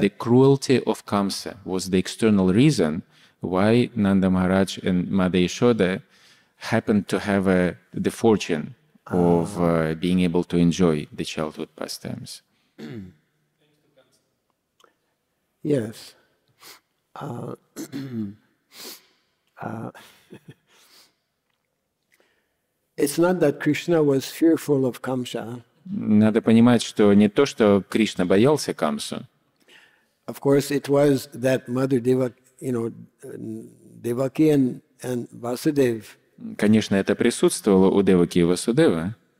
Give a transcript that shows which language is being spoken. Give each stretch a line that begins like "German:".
English: The cruelty of Kamsa was the external reason why Nanda Maharaj and Mother Yashoda happened to have the fortune of being able to enjoy the childhood pastimes. Yes. it's not that Krishna was fearful of Kamsa.
Russian: Надо понимать, что не то, что Кришна боялся Камсу.
English: Of course, it was that Mother Devaki, you know, Devaki and Vasudev.
Russian: Конечно, это присутствовало у Деваки и Васудева.